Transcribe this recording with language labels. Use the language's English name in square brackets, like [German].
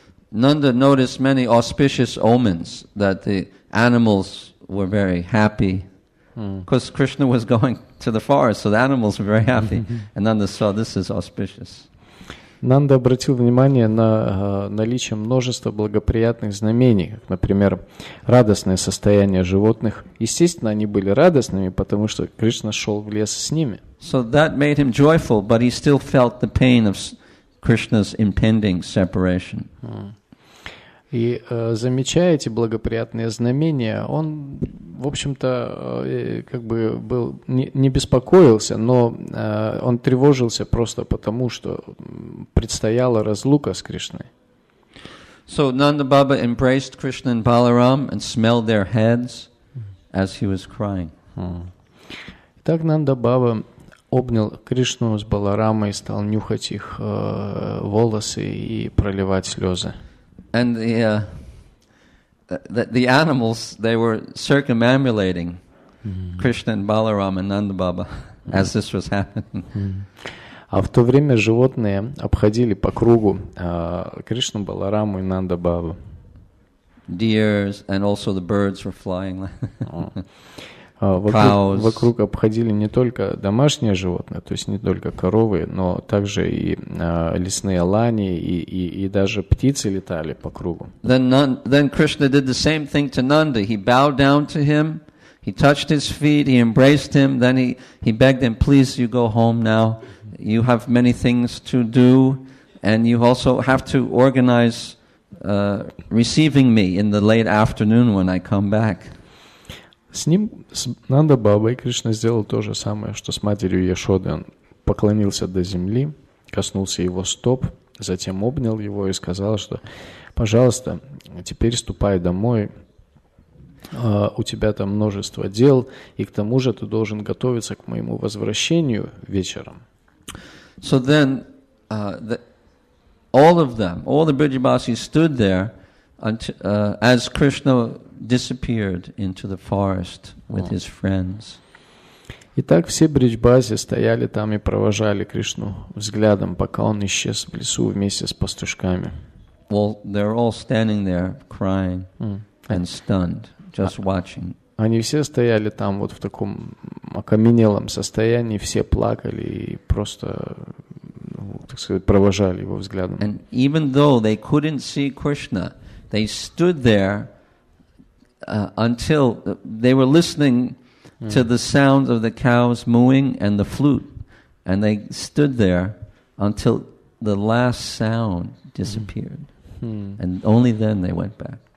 [English] Nanda noticed many auspicious omens that the animals were very happy, because Krishna was going to the forest, so the animals were very happy, and Nanda saw this is auspicious. [Russian] Nanda обратил внимание на наличие множества благоприятных знамений, как, например, радостное состояние животных. Естественно, они были радостными, потому что Кришна шел в лес с ними. [English] So that made him joyful, but he still felt the pain of Krishna's impending separation. [Russian] И замечая эти благоприятные знамения, он, в общем-то, как бы был не беспокоился, но он тревожился просто потому, что предстояла разлука с Кришной. [English] So Nanda Baba embraced Krishna and Balaram and smelled their heads as he was crying. [Russian] Итак, Нанда Баба обнял Кришну с Баларамой и стал нюхать их волосы и проливать слезы. [English] And the animals, they were circumambulating Krishna and Balaram and Nanda Baba as this was happening. [Russian] А в то время животные обходили по кругу Кришну, Балараму и Нанда Бабу. [English] Deers and also the birds were flying. [Russian] Вокруг обходили не только домашние животные, то есть не только коровы, но также и лесные лани и даже птицы летали по кругу. [English] Then Krishna did the same thing to Nanda. He bowed down to him, he touched his feet, he embraced him, then he begged him, please, you go home now. You have many things to do, And you also have to organize receiving me in the late afternoon when I come back. [Russian] С ним Нанда Баба и Кришна сделал то же самое, что с матерью Яшоды. Он поклонился до земли, коснулся его стоп, затем обнял его и сказал, что, пожалуйста, теперь ступай домой. У тебя там множество дел, и к тому же ты должен готовиться к моему возвращению вечером. [English] So then, all of them, all the Brijabasi stood there as Krishna disappeared into the forest with his friends. [Russian] И так все Брижбаси стояли там и провожали Кришну взглядом, пока он исчез в лесу вместе с пастушками. [English] Well, they're all standing there crying and stunned. Just watching. [Russian] Они все стояли там вот в таком окаменелом состоянии, все плакали и просто, ну, так сказать, провожали его взглядом. [English] And even though they couldn't see Krishna, they stood there until they were listening to the sounds of the cows mooing and the flute, and they stood there until the last sound disappeared, and only then they went back.